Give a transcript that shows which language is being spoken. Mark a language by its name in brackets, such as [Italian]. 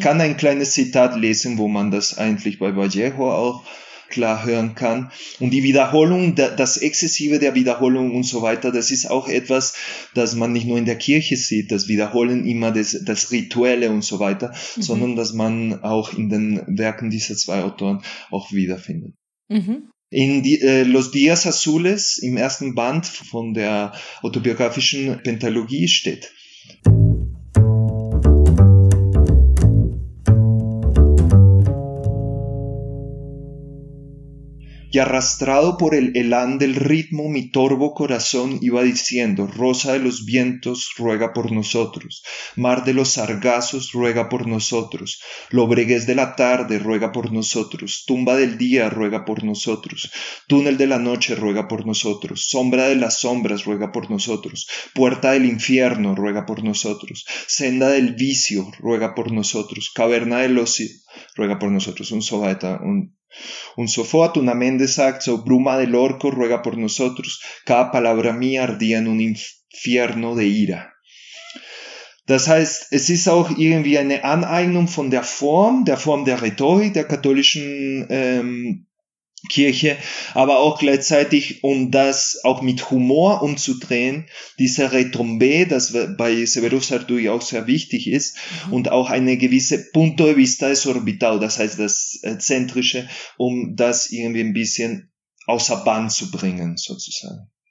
[German] Ich kann ein kleines Zitat lesen, wo man das eigentlich bei Vallejo auch klar hören kann. Und die Wiederholung, das Exzessive der Wiederholung und so weiter, das ist auch etwas, das man nicht nur in der Kirche sieht, das Wiederholen immer das Rituelle und so weiter, mhm, sondern das man auch in den Werken dieser zwei Autoren auch wiederfindet. Mhm. In Los Días Azules, im ersten Band von der autobiografischen Pentalogie, steht: [Spanish] Y arrastrado por el elán del ritmo, mi torvo corazón iba diciendo, rosa de los vientos, ruega por nosotros, mar de los sargazos, ruega por nosotros, lobreguez de la tarde, ruega por nosotros, tumba del día, ruega por nosotros, túnel de la noche, ruega por nosotros, sombra de las sombras, ruega por nosotros, puerta del infierno, ruega por nosotros, senda del vicio, ruega por nosotros, caverna del ocio, ruega por nosotros, un sobaeta, un... [German] Und sofort und am Ende sagt so: [Spanish] Bruma del Orco, ruega por nosotros, cada palabra mía ardía en un infierno de ira. [German] Das heißt, es ist auch irgendwie eine Aneignung von der Form der Rhetorik der katholischen Kirche, aber auch gleichzeitig, um das auch mit Humor umzudrehen, diese Retombe, das bei Severo Sarduy auch sehr wichtig ist, mhm, und auch eine gewisse [Spanish] Punto de vista desorbital, [German] das heißt das Zentrische, um das irgendwie ein bisschen außer Bahn zu bringen, sozusagen.